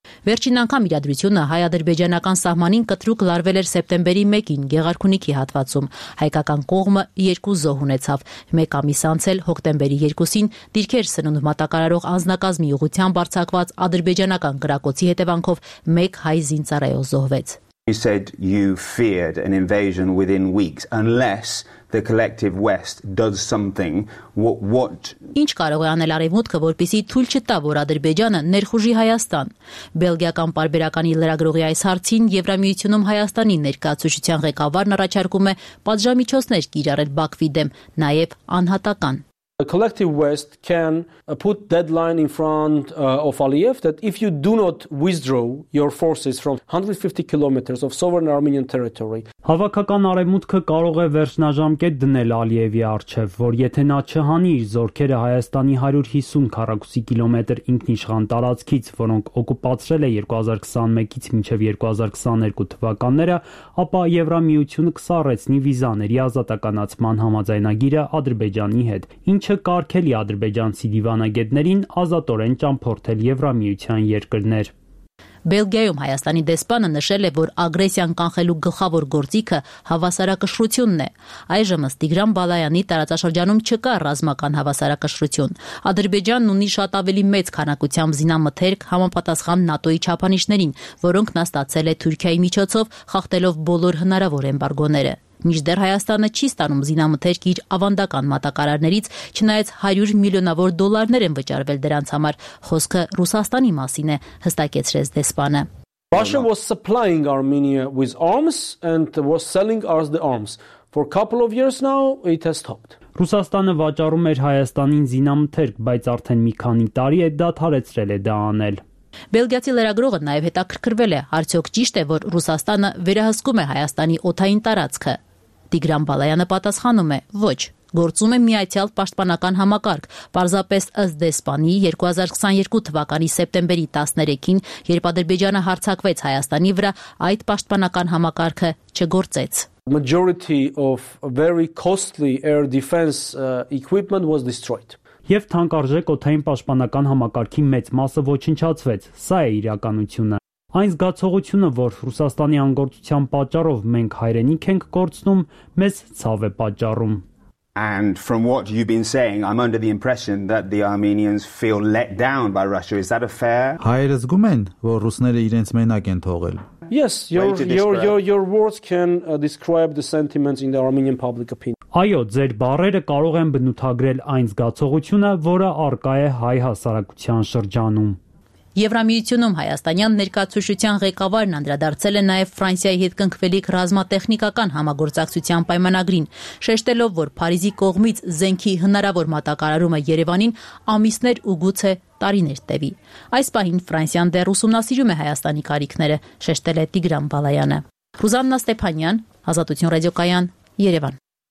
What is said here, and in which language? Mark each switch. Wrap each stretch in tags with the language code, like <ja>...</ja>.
<hy>Վերջին անգամ իրադրությունը հայ-ադրբեջանական սահմանին կտրուկ լարվել էր սեպտեմբերի 1-ին Գեղարքունիքի հատվածում։ Հայկական կողմը 2 զոհ ունեցավ։ Մեկ ամիս անցել հոկտեմբերի 2-ին դիրքեր սնունդ մատակարարող անձնակազմի ուղղությամբ արձակված ադրբեջանական կրակոցի հետևանքով 1 հայ զինծառայող զոհվեց։</hy> <en>You said you feared an invasion within weeks unless the collective West does something. What?</en> <hy>Ինչ կարող է անել արևմուտքը, որպեսզի թույլ չտա, որ Ադրբեջանը ներխուժի Հայաստան։ Բելգիական պարբերականի լրագրողի այս հարցին Եվրամիությունում Հայաստանի ներկայացուցիչյան ղեկավարն առաջարկում է պատժամիջոցներ կիրառել Բաքվի դեմ, նաև անհատական։</hy> <en>The collective West can put deadline in front of Aliyev that if you do not withdraw your forces from 150 kilometers of sovereign Armenian territory.</en> <hy>Հավաքական արևմուտքը կարող է վերջնաժամկետ դնել Ալիևի արչև, որ եթե նա չհանի իր զորքերը Հայաստանի 150 քառակուսի կիլոմետր ինքնիշխան տարածքից, որոնք օկուպացրել է 2021-ից մինչև 2022 թվականները, ապա Եվրամիությունը կսառեցնի վիզաների ազատականացման համաձայնագիրը Ադրբեջանի հետ։ Ինչը կարգելի ադրբեջանցի դիվանագետներին ազատորեն ճամփորդել Եվրամիության երկրներ։ Բելգիայում Հայաստանի դեսպանը նշել է, որ ագրեսիան կանխելու գլխավոր գործիքը հավասարակշռությունն է։ Այժմ ըստ Տիգրան Բալայանի տարածաշրջանում չկա ռազմական հավասարակշռություն։ Ադրբեջանն ունի շատ ավելի մեծ քանակությամբ զինամթերք համապատասխան ՆԱՏՕ-ի չափանիշներին, որոնք նա ստացել է Թուրքիայի միջոցով, խախտելով բոլոր հնարավոր ըմբարգոները։ Միջդեռ Հայաստանը չի ստանում զինամթերք իր ավանդական մատակարարներից, չնայած 100 միլիոնավոր դոլարներ են վճարվել դրանց համար, խոսքը Ռուսաստանի մասին է, հստակեցրեց դեսպանը։</hy> <en>Russia was supplying Armenia with arms and was selling us the arms. For a couple of years now it has stopped.</en> <hy>Ռուսաստանը վաճառում էր Հայաստանին զինամթերք, բայց արդեն մի քանի տարի է դադարեցրել է դա անել։ Բելգիացի լրագրողը նաև հետաքրքրվել է, արդյոք ճիշտ է, որ Ռուսաստանը վերահսկում է Հայաստանի օթային տարածքը։ Տիգրան Բալայանը պատասխանում է. «Ոչ, գործում է միացյալ պաշտպանական համակարգ, պարզապես ըստ դեսպանի 2022 թվականի սեպտեմբերի 13-ին, երբ Ադրբեջանը հարձակվեց Հայաստանի վրա, այդ պաշտպանական համակարգը չգործեց»։</hy> <en>Majority of very costly air defense equipment was destroyed.</en> <hy>Եվ թանկարժեք օթային պաշտպանական համակարգի մեծ մասը ոչնչացվեց, սա է իրականությունը։ Այն զգացողությունը, որ Ռուսաստանի անգործության պատճառով մենք հայրենիք ենք կորցնում, մեզ ցավ է պատճառում։</hy> <en>And from what you've been saying, I'm under the impression that the Armenians feel let down by Russia. Is that a fair?</en> <hy>Հայերը զգում են, որ ռուսները իրենց մենակ են թողել։</hy> <en>Yes, your words can describe the sentiments in the Armenian public opinion.</en> <hy>Այո, ձեր բառերը կարող են բնութագրել այն զգացողությունը, որը առկա է հայ հասարակության շրջանում։ Եվրամիությունում Հայաստանյան ներկայացուցչության ղեկավարն անդրադարձել է նաև Ֆրանսիայի հետ կնքվելիք ռազմատեխնիկական համագործակցության պայմանագրին, շեշտելով, որ Փարիզի կողմից զենքի հնարավոր մատակարարումը Երևանին ամիսներ ու գուցե տարիներ տևի։ Այս պահին Ֆրանսիան դեռ ուսումնասիրում է Հայաստանի կարիքները, շեշտել է Տիգրան Բալայանը։ Ռուսաննա Ստեփանյան, Ազատություն ռադիոկայան, Երևան։</hy>